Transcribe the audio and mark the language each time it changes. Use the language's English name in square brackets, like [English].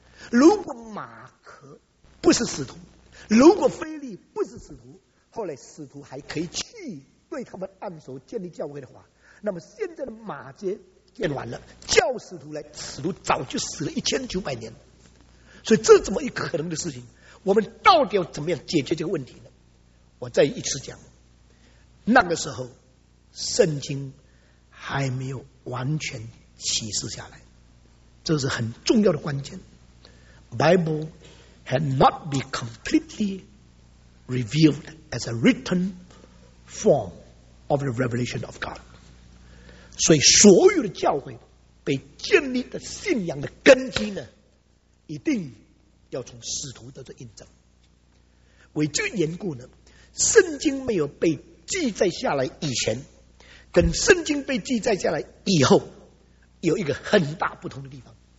[Chinese] 如果马可不是使徒，如果腓力不是使徒，后来使徒还可以去对他们按手建立教会的话，那么现在的马街建完了，叫使徒来，使徒早就死了1900年，所以这怎么一可能的事情？我们到底要怎么样解决这个问题呢？我再一次讲，那个时候圣经还没有完全启示下来，这是很重要的关键。 [English] Bible had not been completely revealed as a written form of the revelation of God. [Chinese] 所以所有的教会被建立的信仰的根基呢，一定要从使徒得到印证。为这个缘故呢，圣经没有被记载下来以前，跟圣经被记载下来以后，有一个很大不同的地方。